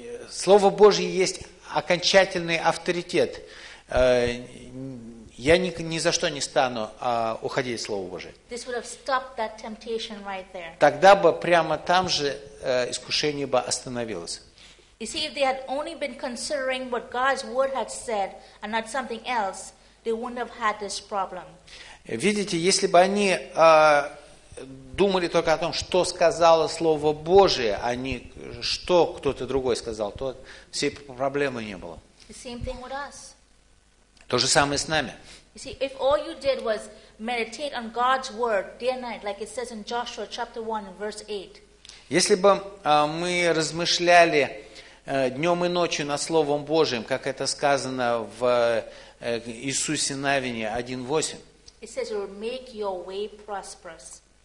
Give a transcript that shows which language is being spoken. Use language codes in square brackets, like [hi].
[ru] Слово Божие есть окончательный авторитет. Я ни за что не стану уходить от Слова Божьего. [en] This would have stopped that temptation right there. [ru] Тогда бы прямо там же искушение бы остановилось. [en] You see, if they had only been considering what God's word had said and not something else, they wouldn't have had this problem. [ru] Видите, если бы они думали только о том, что сказало Слово Божие, а не что кто-то другой сказал, то всей проблемы не было. [en] The same thing with us. [ru] То же самое с нами. [en] You see, if all you did was meditate on God's word day and night, like it says in Joshua chapter 1, verse 8. [ru] Если бы мы размышляли днем и ночью над Словом Божьим, как это сказано в Иисусе Навине 1:8. [en] It says, "Will make your way prosperous."